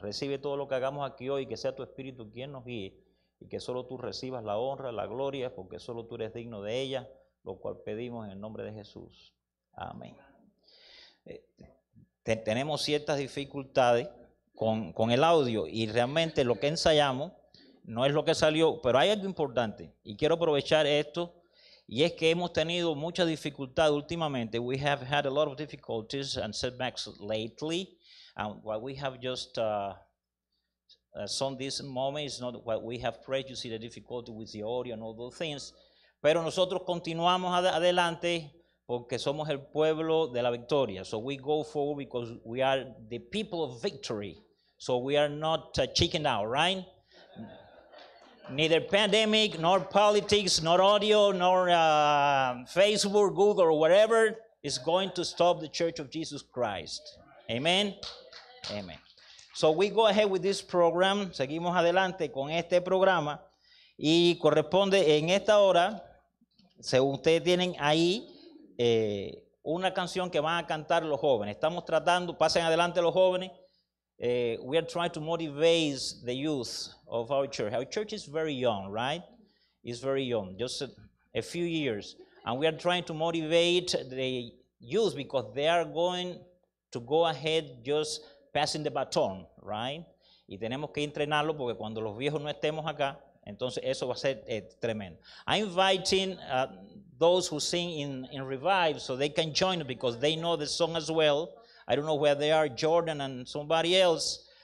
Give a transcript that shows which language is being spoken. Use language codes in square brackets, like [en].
[es] Recibe todo lo que hagamos aquí hoy, que sea tu espíritu quien nos guíe, y que solo tú recibas la honra, la gloria, porque solo tú eres digno de ella, lo cual pedimos en el nombre de Jesús. Amén. Tenemos ciertas dificultades con el audio, y realmente lo que ensayamos no es lo que salió, pero hay algo importante, y quiero aprovechar esto, y es que hemos tenido mucha dificultad últimamente. [en] We have had a lot of difficulties and setbacks lately. What we have just sung this moment is not what we have prayed. You see the difficulty with the audio and all those things. [es] Pero nosotros continuamos adelante porque somos el pueblo de la victoria. [en] So we go forward because we are the people of victory. So we are not chicken out, right? Neither pandemic, nor politics, nor audio, nor Facebook, Google, or whatever is going to stop the Church of Jesus Christ. Amen? Amen. So we go ahead with this program. [es] Seguimos adelante con este programa. Y corresponde en esta hora, según ustedes tienen ahí, una canción que van a cantar los jóvenes. Estamos tratando, pasen adelante los jóvenes. [en] We are trying to motivate the youth of our church. Our church is very young, right? It's very young, just a few years. And we are trying to motivate the youth because they are going to go ahead just passing the baton, right? [es] Y tenemos que entrenarlo porque cuando los viejos no estemos acá, entonces eso va a ser tremendo. [en] I'm inviting those who sing in Revive so they can join because they know the song as well. I don't know where they are, Jordan and somebody else.